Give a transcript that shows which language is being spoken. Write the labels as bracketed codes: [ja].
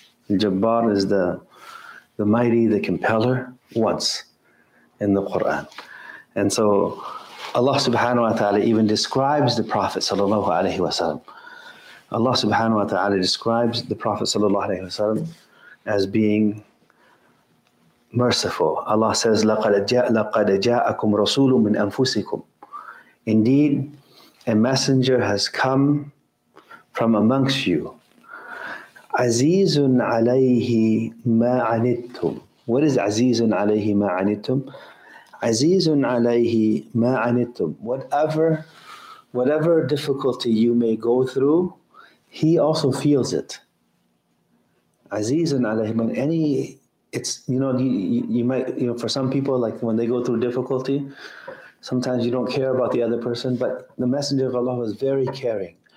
[en] Al-Jabbar is the mighty, the compeller, once in the Qur'an. And so Allah subhanahu wa ta'ala even describes the Prophet sallallahu alayhi wa sallam. Allah subhanahu wa ta'ala describes the Prophet sallallahu alayhi wa sallam as being merciful. Allah says, [ar] لَقَدْ جَاءَكُمْ رَسُولٌ مِّنْ أَنفُسِكُمْ. [en] Indeed, a messenger has come from amongst you. [ar] عَزِيزٌ عَلَيْهِ مَا عَنِتُّمْ. [en] What is [ar] عَزِيزٌ عَلَيْهِ مَا عَنِتُّمْ? عَزِيزٌ عَلَيْهِ مَا عَنِتُّمْ. [en] Whatever difficulty you may go through, he also feels it. [ar] عَزِيزٌ عَلَيْهِ مَا عَنِتُّمْ. [en] It's, you might, for some people, like when they go through difficulty, Sometimes you don't care about the other person, but the Messenger of Allah was very caring.